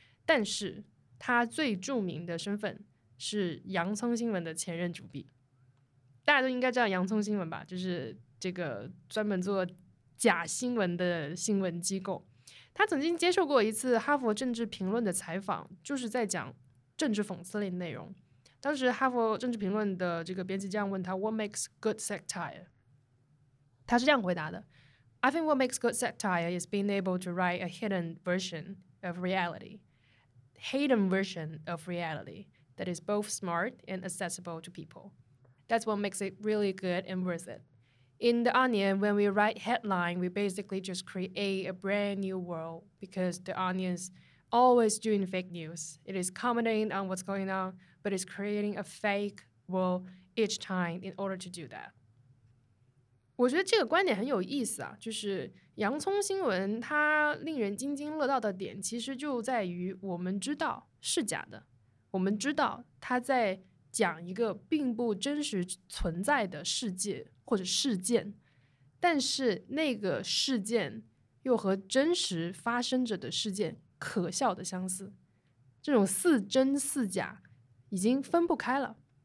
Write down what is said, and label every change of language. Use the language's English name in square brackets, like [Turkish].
[Chinese] 但是他最著名的身份是洋葱新闻的前任主笔，大家都应该知道洋葱新闻吧，就是这个专门做假新闻的新闻机构。他曾经接受过一次哈佛政治评论的采访，就是在讲政治讽刺类内容。当时哈佛政治评论的这个编辑这样问他 [English] What makes good satire， [Chinese] 他是这样回答的， [English] I think what makes good satire is being able to write a hidden version of realityhidden version of reality that is both smart and accessible to people. That's what makes it really good and worth it. In The Onion, when we write headline, we basically just create a brand new world because The Onion's always doing fake news. It is commenting on what's going on, but it's creating a fake world each time in order to do that. [Chinese] 我觉得这个观点很有意思啊，就是洋葱新闻它令人津津乐道的点其实就在于我们知道是假的，我们知道它在讲一个并不真实存在的世界或者事件，但是那个事件又和真实发生着的事件可笑的相似，这种似真似假已经分不开了。